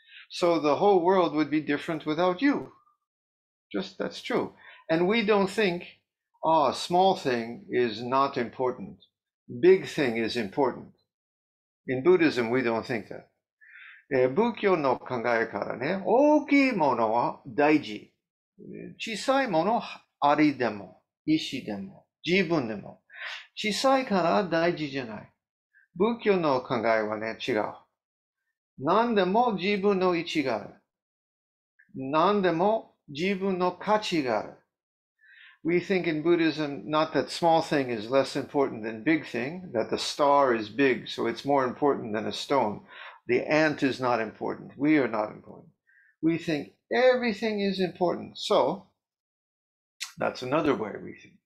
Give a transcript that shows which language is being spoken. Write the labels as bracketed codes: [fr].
[en] So the whole world would be different without you. Just that's true. And we don't think, oh, small thing is not important. Big thing is important. In Buddhism, we don't think that. [ja] 仏教の考えからね、大きいものは大事。小さいものはありでも、石でも、自分でも。小さいから大事じゃない。仏教の考えはね、違う。何でも自分の位置がある。何でも自分の価値がある。 [en] We think in Buddhism not that small thing is less important than big thing, that the star is big, so it's more important than a stone. The ant is not important. We are not important. We think everything is important. So, that's another way we think.